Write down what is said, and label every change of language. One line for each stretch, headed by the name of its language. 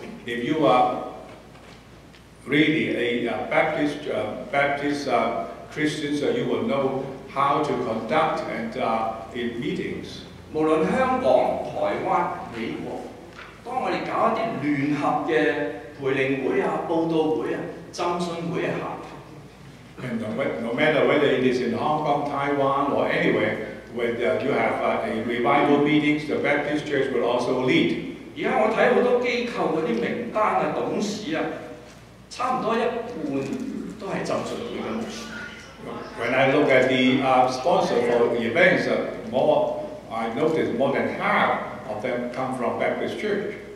English: If you are really a Baptist Christians, you will know how to conduct and in meetings.
Cantonese: 無論香港、台灣、美國，當我哋搞一啲聯合嘅培靈會啊、報道會啊。
English: And no matter whether it is in Hong Kong, Taiwan, or anywhere, whether you have a revival meetings, the Baptist Church will also lead. When I look at the sponsor for the events, I notice more than half of them come from Baptist Church.